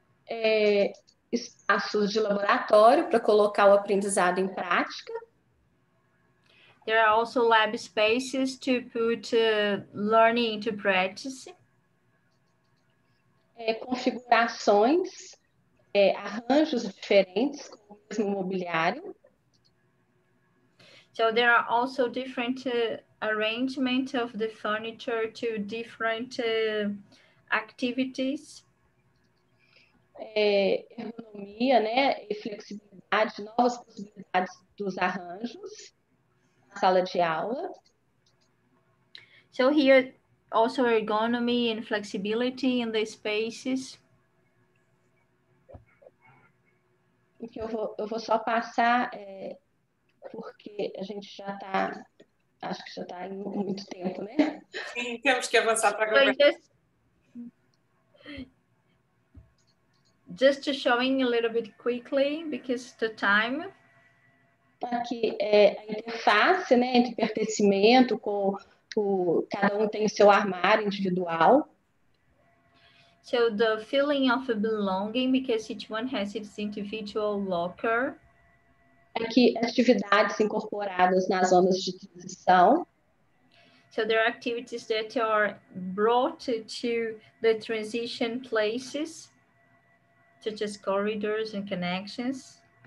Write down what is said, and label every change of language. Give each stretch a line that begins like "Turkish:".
Portuguese: É, espaços de laboratório para colocar o aprendizado em prática.
English: There are also lab spaces to put learning into practice.
Portuguese: É, configurações, é, arranjos diferentes com o mesmo mobiliário.
English: So there are also different arrangements of the furniture to different activities.
Portuguese: É, ergonomia, né, e flexibilidade, novas possibilidades dos arranjos. Sala de aula.
English: So here also ergonomy and flexibility in the spaces.
Portuguese: Eu vou só passar é, porque a gente já está, acho que já está em muito tempo, né? Sim, temos que avançar para agora.
English: Just to showing a little bit quickly because the time.
Portuguese: Aqui é a interface, né, de pertencimento com o cada um tem seu armário individual.
English: So the feeling of belonging because each one has its individual locker.
Portuguese: Aqui atividades incorporadas nas zonas de transição.
English: So there are activities that are brought to the transition places, such as corridors and connections.